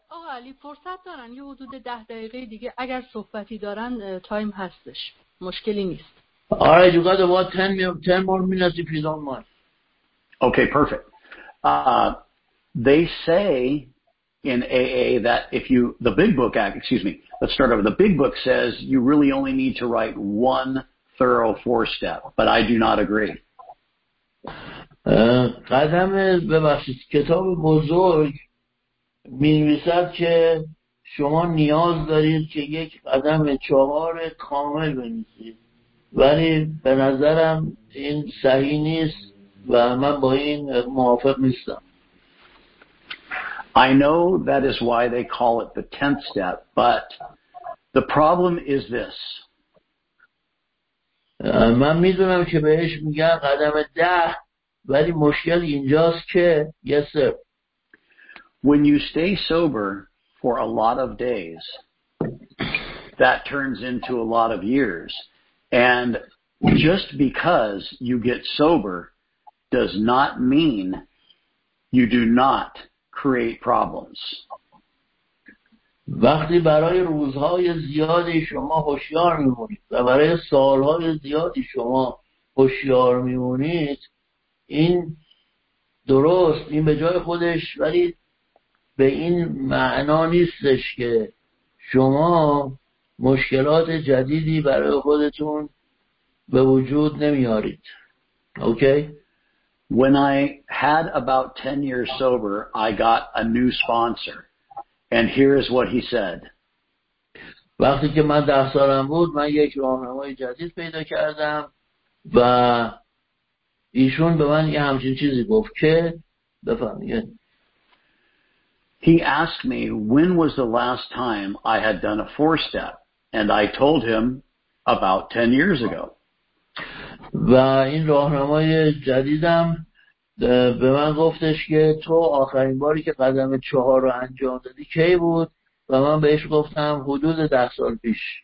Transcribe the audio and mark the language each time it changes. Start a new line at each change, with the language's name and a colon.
Persian: علی فرصت دارن یه حدود 10 دقیقه دیگه اگر صحبتی دارن تایم هستش، مشکلی نیست.
English: All right, you got about 10 more minutes if you don't mind. Okay, perfect. They say in AA that if you, the big book, excuse me, let's start over. The big book says you really only need to write one thorough four step, but I do not agree.
Persian: قدم ببخشید کتاب بزرگ می نویسد که شما نیاز دارید که یک قدم چهار کامل بنویسید ولی به نظرم این صحیح نیست و من با این موافق نیستم.
English: I know that is why they call it the 10th step, but the problem is this.
Persian: من میدونم که بهش میگن قدم ده ولی مشکل اینجاست که
English: yes sir. When you stay sober for a lot of days, that turns into a lot of years. And just because you get sober does not mean you do not create problems.
Persian: وقتی برای روزهای زیادی شما هوشیار میمونید و برای سالهای زیادی شما هوشیار میمونید این درست این به جای خودش ولی به این معنا نیستش که شما مشکلات جدیدی برای خودتون به وجود نمیارید. اوکی؟
English: When I had about 10 years sober, I got a new sponsor. And here is what he said.
Persian: وقتی که من 10 سالم بود، من یک راهنمای جدید پیدا کردم و ایشون به من یه همچین چیزی گفت که بفهمید.
English: He asked me, when was the last time I had done a four step? And I told him about 10 years ago.
Persian: و این راهنمای جدیدم به من گفتش که تو آخرین باری که قدم چهار رو انجام دادی کی بود و من بهش گفتم حدود 10 سال پیش.